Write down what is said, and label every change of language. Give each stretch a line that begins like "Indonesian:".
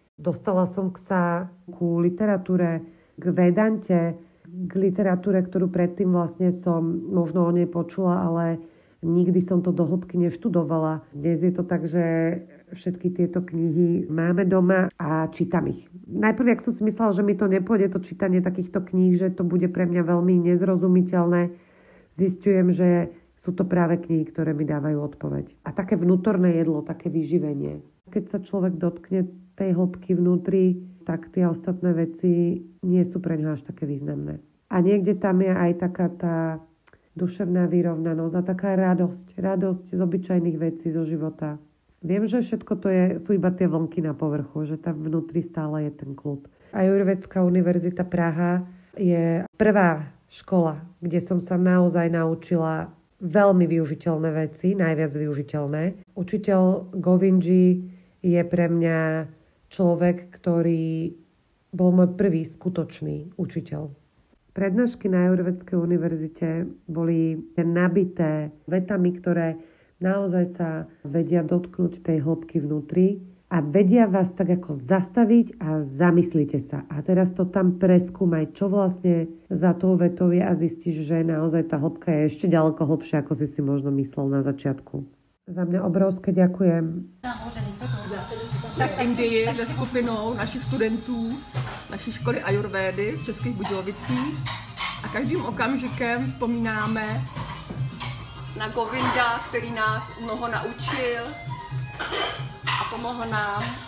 Slovak: Dostala som sa ku literatúre, k Vedante, k literatúre, ktorú predtým vlastne som možno o nej počula, ale nikdy som to do hĺbky neštudovala. Dnes je to tak, že všetky tieto knihy máme doma a čítam ich. Najprv, jak som si myslela, že mi to nepôjde, to čítanie takýchto kníh, že to bude pre mňa veľmi nezrozumiteľné, zisťujem, že sú to práve knihy, ktoré mi dávajú odpoveď. A také vnútorné jedlo, také vyživenie. Keď sa človek dotkne tej hĺbky vnútri, tak tie ostatné veci nie sú pre ňa až také významné. A niekde tam je aj taká tá duševná vyrovnanosť a taká radosť. Radosť z obyčajných vecí, zo života. Viem, že všetko to je, sú iba tie vlnky na povrchu, že tam vnútri stále je ten kľud. Ajurvedská univerzita Praha je prvá škola, kde som sa naozaj naučila veľmi využiteľné veci, najviac využiteľné. Učiteľ Govindži je pre mňa človek, ktorý bol môj prvý skutočný učiteľ. Prednášky na Ajurvedskej univerzite boli nabité vetami, ktoré naozaj sa vedia dotknúť tej hĺbky vnútri a vedia vás tak ako zastaviť a zamyslite sa. A teraz to tam preskúmaj, čo vlastne za tou vetou je a zistíš, že naozaj tá hĺbka je ešte ďaleko hlbšia, ako si možno myslel na začiatku. Za mňa obrovské ďakujem.
Czech: Tak Indie se skupinou našich studentů naší školy Ajurvédy v Českých Budějovicích a každým okamžikem vzpomínáme na Govinda, který nás mnoho naučil a pomohl nám.